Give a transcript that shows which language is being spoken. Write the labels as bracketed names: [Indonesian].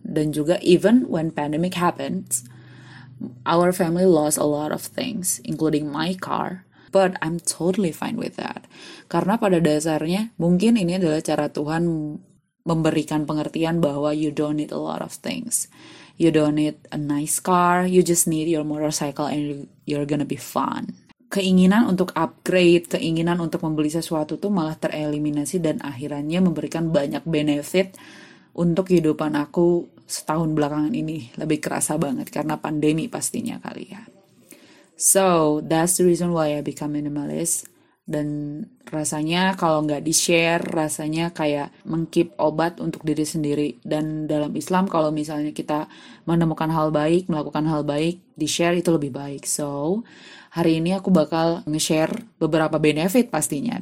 [Indonesian] Dan juga [English] even when pandemic happens, our family lost a lot of things, including my car. But I'm totally fine with that. [Indonesian] Karena pada dasarnya, mungkin ini adalah cara Tuhan memberikan pengertian bahwa [English] you don't need a lot of things. You don't need a nice car, you just need your motorcycle and you're gonna be fun. [Indonesian] Keinginan untuk upgrade, keinginan untuk membeli sesuatu tuh malah tereliminasi dan akhirnya memberikan banyak benefit untuk kehidupan aku setahun belakangan ini. Lebih kerasa banget karena pandemi pastinya kali ya. [English] So, that's the reason why I become minimalist. [Indonesian] Dan rasanya kalau nggak di-share, rasanya kayak mengkip obat untuk diri sendiri. Dan dalam Islam, kalau misalnya kita menemukan hal baik, melakukan hal baik, di-share itu lebih baik. So, hari ini aku bakal nge-share beberapa benefit pastinya.